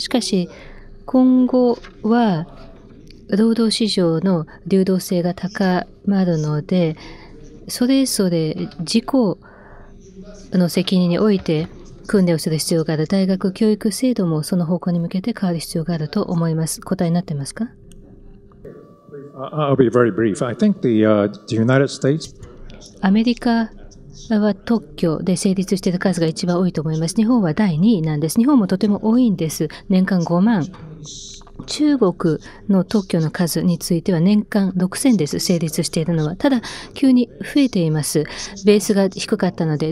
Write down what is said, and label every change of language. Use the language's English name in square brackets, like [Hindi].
[Japanese] しかし今後は労働市場の流動性が高まるので、それぞれ自己の責任において訓練をする必要がある。大学教育制度もその方向に向けて変わる必要があると思います。答えになってますか？ [English] I'll be very brief. I think the United States、 [Japanese] アメリカは特許で成立している数が一番多いと思います。日本は第2位なんです。日本もとても多いんです。年間5万。中国の特許の数については年間6000です。成立しているのは。ただ急に増えています。ベースが低かったので。